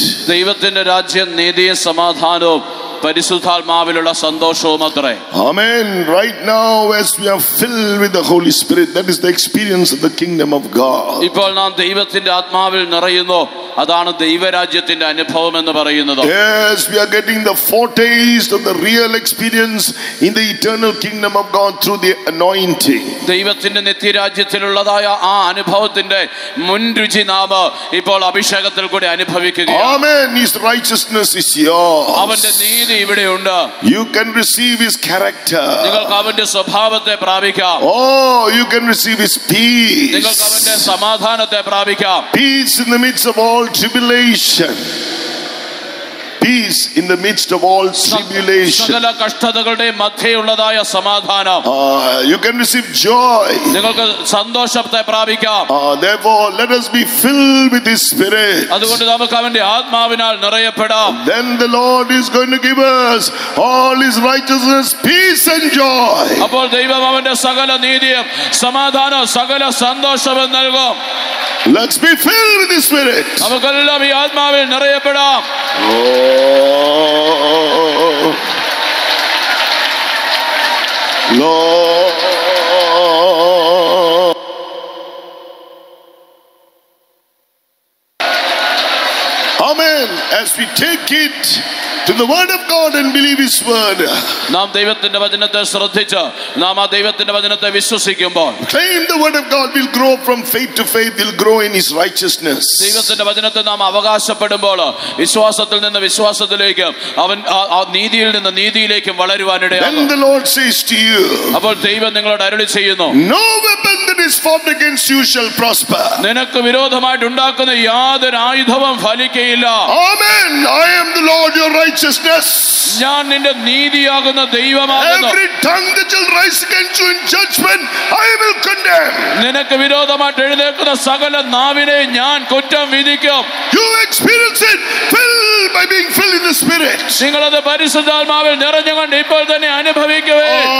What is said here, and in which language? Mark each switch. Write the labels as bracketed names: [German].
[Malayalam] ദൈവത്തിന്റെ രാജ്യം നീതിയും സമാധാനവും പരിശുദ്ധാത്മാവിലുള്ള സന്തോഷവും അത്രേ. [English] Amen. Right now as we are filled with the Holy Spirit, that is the experience of the kingdom of God. [Malayalam] ഇപ്പോൾ നാം ദൈവത്തിന്റെ ആത്മാവിൽ നിറയുന്നു, അതാണ് ദൈവരാജ്യത്തിന്റെ അനുഭവം എന്ന് പറയുന്നത്. [English] Yes, we are getting the foretaste of the real experience in the eternal kingdom of God through the anointing. [Malayalam] ദൈവത്തിന്റെ നിത്യരാജ്യത്തിലുള്ളതായ ആ അനുഭവത്തിന്റെ മുൻരുചി നാം ഇപ്പോൾ അഭിഷേകത്തിൽ കൂടി അനുഭവിക്കുകയാണ്. [English] Amen. His righteousness is yours. [Malayalam] അവന്റെ നീതി ഇവിടെയുണ്ട്. [English] You can receive his character. [Malayalam] നിങ്ങൾക്ക് അവന്റെ സ്വഭാവത്തെ പ്രാപിക്കാം. [English] Oh, you can receive his peace. [Malayalam] നിങ്ങൾക്ക് അവന്റെ സമാധാനത്തെ പ്രാപിക്കാം. [English] Peace in the midst of all tribulation. Peace in the midst of all tribulation. [Malayalam] സകല കഷ്ടതകളുടെ മധ്യയുള്ളതായ സമാധാനം. [English] You can receive joy. [Malayalam] നിങ്ങൾക്ക് സന്തോഷത്തെ പ്രാപിക്കാം. [English] Therefore let us be filled with his spirit. [Malayalam] അതുകൊണ്ട് നമുക്ക് അവന്റെ ആത്മാവിനാൽ നിറയപ്പെടാം. [English] Then the Lord is going to give us all his righteousness, peace and joy. [Malayalam] അപ്പോൾ ദൈവം അവന്റെ സകല നീതിയും സമാധാനവും സകല സന്തോഷവും നൽകും. [English] Let's be filled with the spirit. [Malayalam] നമുക്കെല്ലാം ഈ ആത്മാവിൽ നിറയപ്പെടാം. [English] Amen. As we take it to the word of God and believe his word. [Malayalam] നാം ദൈവത്തിന്റെ വചനത്തെ ശ്രദ്ധിച്ച് നാം ആ ദൈവത്തിന്റെ വചനത്തെ വിശ്വസിക്കുമ്പോൾ [English] claim the word of God will grow from faith to faith, will grow in his righteousness. [Malayalam] ദൈവത്തിന്റെ വചനത്തെ നാം അവകാശപ്പെടുമ്പോൾ വിശ്വാസത്തിൽ നിന്ന് വിശ്വാസത്തിലേക്ക് അവൻ ആ നീതിയിൽ നിന്ന് നീതിയിലേക്കും വളരുവാനിടയാകും. [English] Then the Lord says to you, [Malayalam] അപ്പോൾ ദൈവം നിങ്ങളോട് അരുളി ചെയ്യുന്നു, [English] no weapon that is formed against you shall prosper. [Malayalam] നിനക്ക് വിരോധമായിട്ട് ഉണ്ടാക്കുന്ന യാതൊരു ആയുധവും ഫലിക്കയില്ല. [English] Amen. I am the Lord your righteousness. [Malayalam] ഞാൻ നിന്റെ നീതിയാകുന്ന ദൈവമാകുന്നു. [English] Every tongue that shall rise against you in judgment, I will condemn. [Malayalam] നിനക്ക് വിരോധമായിട്ട് എഴുന്നേൽക്കുന്ന സകല നാവിനെ ഞാൻ കുറ്റം വിധിക്കും. [English] You experience it filled by being filled in the spirit. [Malayalam] നിങ്ങൾ അത് പരിശുദ്ധാത്മാവിൽ നിറഞ്ഞുകൊണ്ട് ഇപ്പോൾ തന്നെ അനുഭവിക്കവേ.